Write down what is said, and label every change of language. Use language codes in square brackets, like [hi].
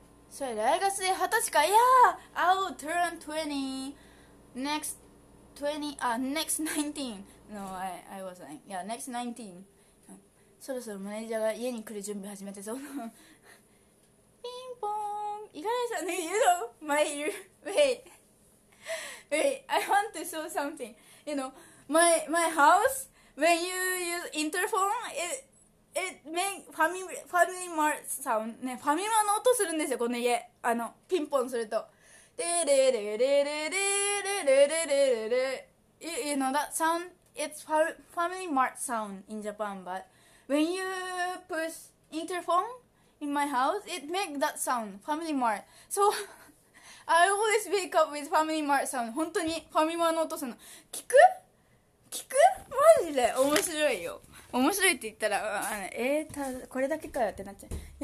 [ja] それ来月で20歳か。いやー、 [en] I will turn 20 next 20 next 19 no I was like yeah next 19. [ja] そろそろマネージャーが家に来る準備始めてそうピンポーン、いかがでしたね。 [en] You know my wait I want to show something. You know my house when you use interphone it makes family mart sound [ja] ね、ファミマの音するんですよこの家、あのピンポンすると、 [en] でれれれれれれれれれれれ、 you know that sound? It's family mart sound in Japan, but when you push interphone in my house, it makes that sound, family mart. So I always wake up with family mart sound. [ja] 本当にファミマの音するの。聞く？聞く？マジで面白いよ。面白いって言ったら、これだけかよってなっちゃう。